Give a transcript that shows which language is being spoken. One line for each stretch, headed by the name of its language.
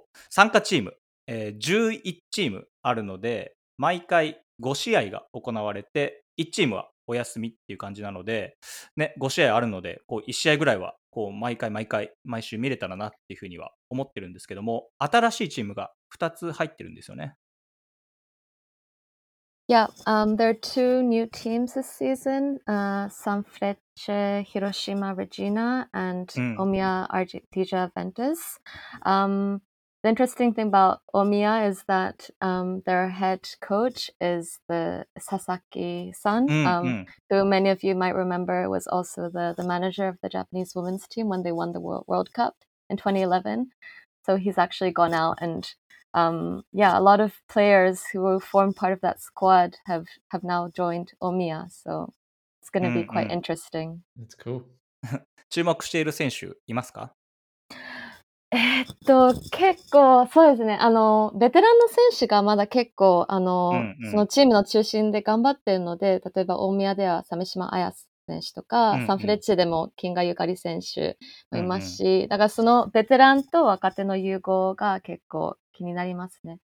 Japanese: 参加チーム、11チームあるので毎回5試合が行われて1チームはお休みっていう感じなので、ね、5試合あるのでこう1試合ぐらいはこう毎回毎回毎週見れたらなっていうふうには思ってるんですけども、新しいチームが2つ入ってるんですよね。
English: Yeah, there are two new teams this season, Sanfrecce Hiroshima Regina and Omiya Ardija Ventus. The interesting thing about Omiya is that their head coach is the Sasaki-san, who many of you might remember was also the manager of the Japanese women's team when they won the World Cup in 2011. So he's actually gone out and... a lot of players who form part of that squad have now joined Omiya, so it's going to be quite interesting. That's cool.
Japanese: 注目している選手いますか？結構そうですね。ベテランの選手がまだ結構そのチームの中心で頑張っているので、例えば Omiya では鮫島彩選手とか、サンフレッチェでも金賀ゆかり選手もいますし、だからそのベテランと若手の融合が結構気になりますね。